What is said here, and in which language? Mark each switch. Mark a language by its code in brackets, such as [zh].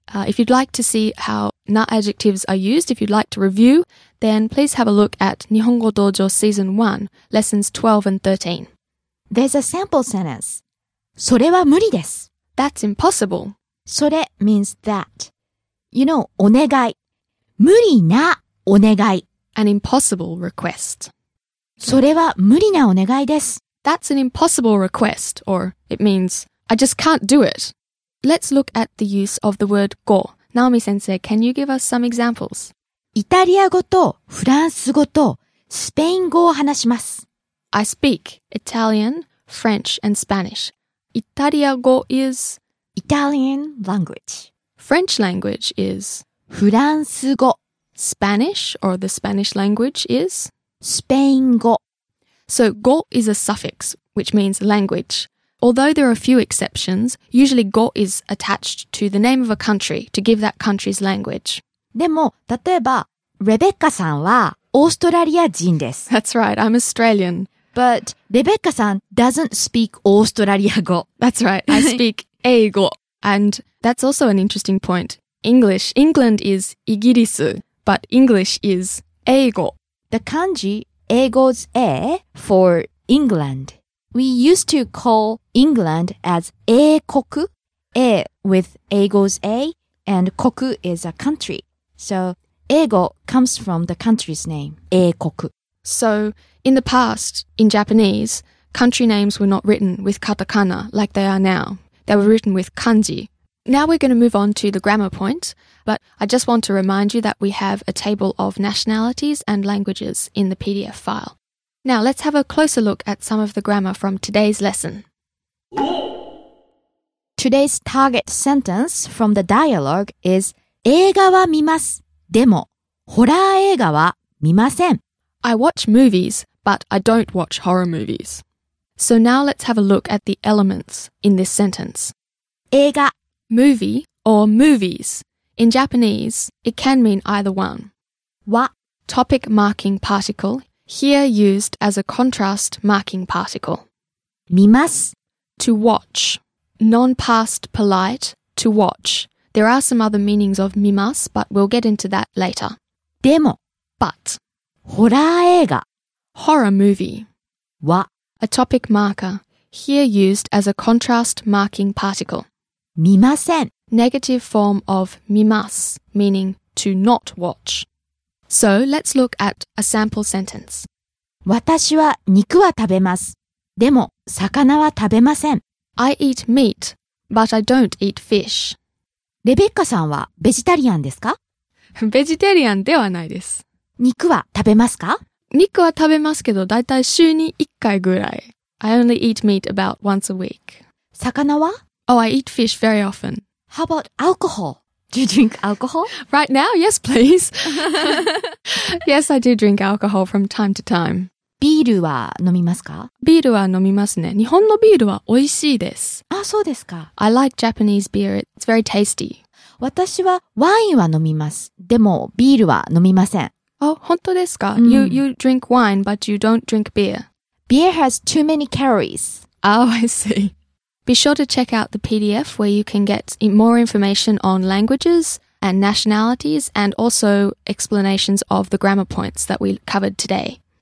[en] If you'd like to see how な adjectives are used, if you'd like to review, then please have a look at 日本語道場 Season 1, Lessons 12 and 13. There's a sample sentence. [ja] それは無理です. [en] That's impossible. それ means that. You know, お願い。 [ja] 無理なお願い。 [en] An impossible request. [ja] それは無理なお願いです。 [en] That's an impossible request, or it means, I just can't do it. Let's look at the use of the word go. Naomi 先生, can you give us some examples? [ja] イタリア語とフランス語とスペイン語を話します。 [en] I speak Italian, French, and Spanish. イタリア語 is Italian language. French language is [ja] フランス語。 [en] Spanish, or the Spanish language, is [ja] スペイン語。 [en] So, 語 is a suffix, which means language. Although there are a few exceptions, usually 語 is attached to the name of a country to give that country's language. [ja] でも、例えば、レベッカさんはオーストラリア人です。 [en] That's right, I'm Australian. But レベッカさん doesn't speak オーストラリア語。 That's right, I speak 英語。 And that's also an interesting point. English, England is イギリス。 But English is 英語. The kanji 英語's 英 for England. We used to call England as 英国, 英 with 英語's 英, and 国 is a country. So 英語 comes from the country's name, 英国. So in the past, in Japanese, country names were not written with katakana like they are now. They were written with kanji. Now we're going to move on to the grammar point, but I just want to remind you that we have a table of nationalities and languages in the PDF file. Now let's have a closer look at some of the grammar from today's lesson. Today's target sentence from the dialogue is [ja] 映画は見ます。でも、ホラー映画は見ません。 [en] I watch movies, but I don't watch horror movies. So now let's have a look at the elements in this sentence. [ja] 映画 [en] Movie or movies. In Japanese, it can mean either one. [ja] Wa. [en] Topic marking particle. Here used as a contrast marking particle. [ja] Mimasu. [en] To watch. Non-past polite. To watch. There are some other meanings of mimasu, but we'll get into that later. [ja] Demo. [en] But. [ja] Horaeiga. [en] Horror movie. [ja] Wa. [en] A topic marker. Here used as a contrast marking particle. [ja] 見ません. [en] Negative form of 見ます, meaning to not watch. So let's look at a sample sentence. [ja] 私は肉は食べます。でも魚は食べません。 [en] I eat meat, but I don't eat fish. [ja] レベッカさんはベジタリアンですか? ベジタリアンではないです。肉は食べますか? 肉は食べますけど、だいたい週に1回ぐらい。 [en] I only eat meat about once a week. [ja] 魚は? [en] Oh, I eat fish very often. How about alcohol? Do you drink alcohol? Right now? Yes, please. Yes, I do drink alcohol from time to time. [ja] ビールは飲みますか? ビールは飲みますね。日本のビールは美味しいです。あ、そうですか。 [en] I like Japanese beer. It's very tasty. [ja] 私はワインは飲みます。でもビールは飲みません。 Oh, 本当ですか?Mm. [en] You drink wine, but you don't drink beer. Beer has too many calories. Oh, I see. Be sure to check out the PDF where you can get more information on languages and nationalities and also explanations of the grammar points that we covered today.